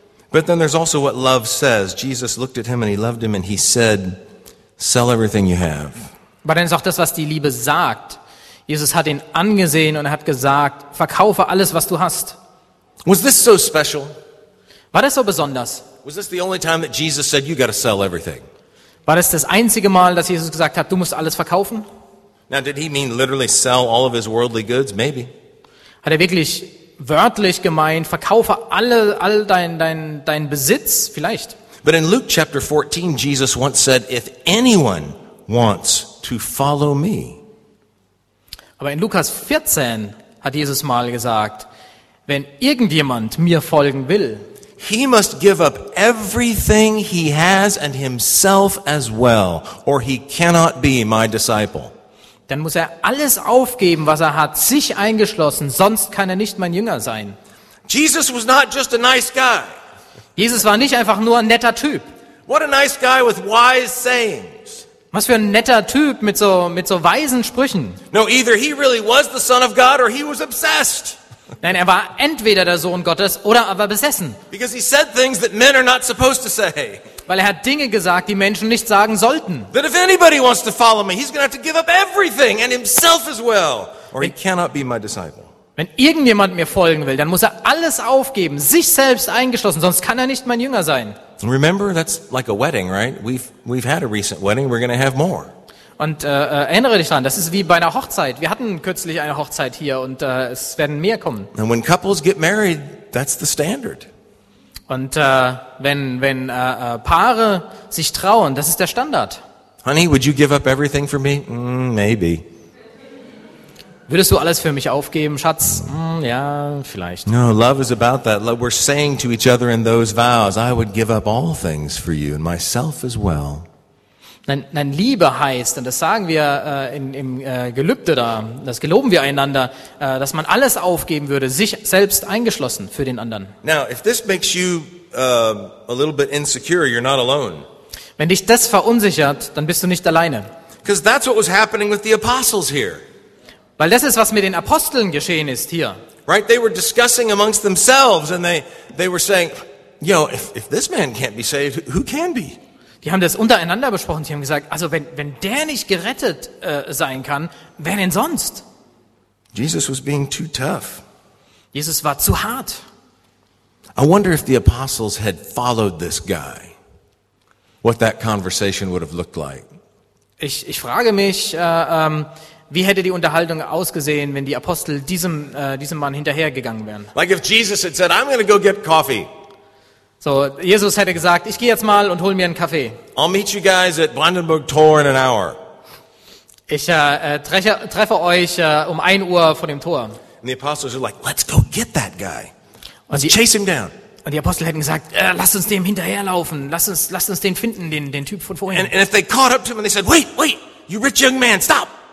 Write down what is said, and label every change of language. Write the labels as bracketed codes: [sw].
[en] But then there's also what love says. Jesus looked at him and he loved him and he said, "Sell everything you have." [de] Aber dann ist auch das, was die Liebe sagt. Jesus hat ihn angesehen und hat gesagt, "Verkaufe alles, was du hast." [en] Was this so special? [de] War das so besonders? [en] Was this the only time that Jesus said, "You got to sell everything"? [de] War das das einzige Mal, dass Jesus gesagt hat, du musst alles verkaufen? [en] Now, did he mean literally sell all of his worldly goods? Maybe. [de] Hat wirklich wörtlich gemeint, verkaufe all dein Besitz? Vielleicht. [en] But in Luke chapter 14, Jesus once said, "If anyone wants to follow me." [de] Aber in Lukas 14 hat Jesus mal gesagt, wenn irgendjemand mir folgen will, [en] he must give up everything he has and himself as well, or he cannot be my disciple. [de] Dann muss er alles aufgeben, was er hat, sich eingeschlossen, sonst kann er nicht mein Jünger sein. [en] Jesus was not just a nice guy. [de] Jesus war nicht einfach nur ein netter Typ. [en] What a nice guy with wise sayings. [de] Was für ein netter Typ mit so weisen Sprüchen. [en] No, either he really was the Son of God or he was obsessed. [de] Nein, er war entweder der Sohn Gottes oder er war besessen. [en] Because he said things that men are not supposed to say. [de] Weil er hat Dinge gesagt, die Menschen nicht sagen sollten. [en] That if anybody wants to follow me, he's going to have to give up everything and himself as well, or he cannot be my disciple. [de] Wenn irgendjemand mir folgen will, dann muss er alles aufgeben, sich selbst eingeschlossen, sonst kann er nicht mein Jünger sein. [en] Remember, that's like a wedding, right? We've had a recent wedding, we're going to have more. [de] Und erinnere dich daran, das ist wie bei einer Hochzeit. Wir hatten kürzlich eine Hochzeit hier und es werden mehr kommen. [en] And when couples get married, that's the standard. [de] Und wenn Paare sich trauen, das ist der Standard. [en] Honey, would you give up everything for me? Maybe. [de] Würdest du alles für mich aufgeben, Schatz? Ja, vielleicht. [en] No, love is about that. We're saying to each other in those vows, I would give up all things for you and myself as well. [de] Nein, Liebe heißt, und das sagen wir Gelübde da, das geloben wir einander, dass man alles aufgeben würde, sich selbst eingeschlossen für den anderen. [en] Now, if this makes you a little bit insecure, you're not alone. [de] Wenn dich das verunsichert, dann bist du nicht alleine. [en] Because that's what was happening with the apostles here. [de] Weil das ist, was mit den Aposteln geschehen ist hier. [en] Right, they were discussing amongst themselves, and they were saying, you know, if this man can't be saved, who can be? [de] Die haben das untereinander besprochen. Sie haben gesagt, also wenn der nicht gerettet sein kann, wer denn sonst? [en] Jesus was being too tough. [de] Jesus war zu hart. [en] I wonder if the apostles had followed this guy, what that conversation would have looked like. [de] Ich frage mich, wie hätte die Unterhaltung ausgesehen, wenn die Apostel diesem Mann hinterhergegangen wären? [en] Like if Jesus had said, I'm gonna go get coffee. [de] So, Jesus hätte gesagt, ich gehe jetzt mal und hol mir einen Kaffee. [en] I'll meet you guys at Brandenburg Tor in an hour. [de] Ich treffe euch um 1 Uhr vor dem Tor. [en] And the apostles are like, let's go get that guy. Let's chase him down. [de] Und die Apostel hätten gesagt, lasst uns dem hinterherlaufen, lasst uns den finden, den Typ von vorhin. [en] And if they caught up to him and they said, wait, you rich young man, stop.